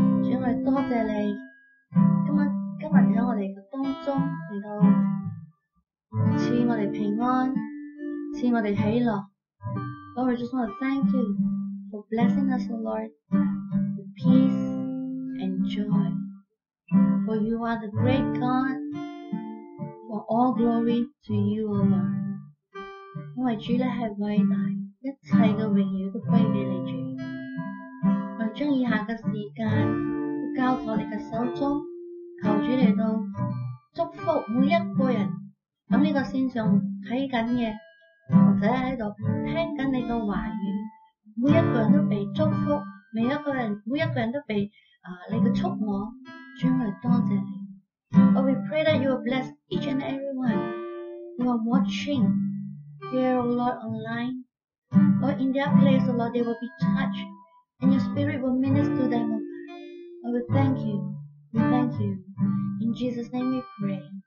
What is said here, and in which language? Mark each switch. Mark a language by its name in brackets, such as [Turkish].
[Cantonese] 要多謝你今日喺我哋嘅當中嚟到賜我哋平安，賜我哋喜樂。 [English] Lord, we just want to thank you for blessing us, O Lord, with peace and joy. For you are the great God, for all glory to you, O Lord. [Cantonese] 因為主你係偉大，一切嘅榮耀都歸俾你主。我將以下嘅時間都交在我哋嘅手中，求主嚟到祝福每一個人。咁呢個線上睇緊嘅，或者喺度聽緊你嘅話語，每一個人都被祝福，每一個人都被你嘅觸摸，將來多謝你。 [English] Oh, we pray that you will bless each and everyone who are watching here, O Lord, online. Lord, in their place, O Lord, they will be touched, and your Spirit will minister to them. Lord, we thank you. We thank you. In Jesus' name we pray.